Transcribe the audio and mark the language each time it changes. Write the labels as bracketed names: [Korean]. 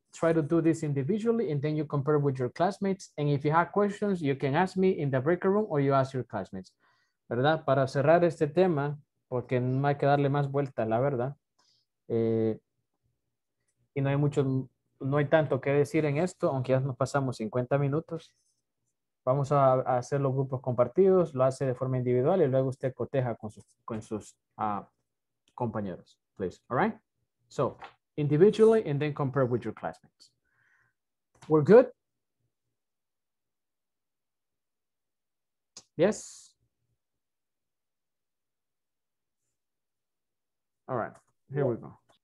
[English] Try to do this individually and then you compare with your classmates. And if you have questions, you can ask me in the breakout room or you ask your classmates. [Spanish] ¿Verdad? Para cerrar este tema, porque no hay que darle más vuelta, la verdad. Y no hay mucho, no hay tanto que decir en esto, aunque ya nos pasamos 50 minutos. Vamos a hacer los grupos compartidos, lo hace de forma individual y luego usted coteja con sus compañeros. [English] Please, all right? So, individually and then compare with your classmates. We're good? Yes? All right, here we go.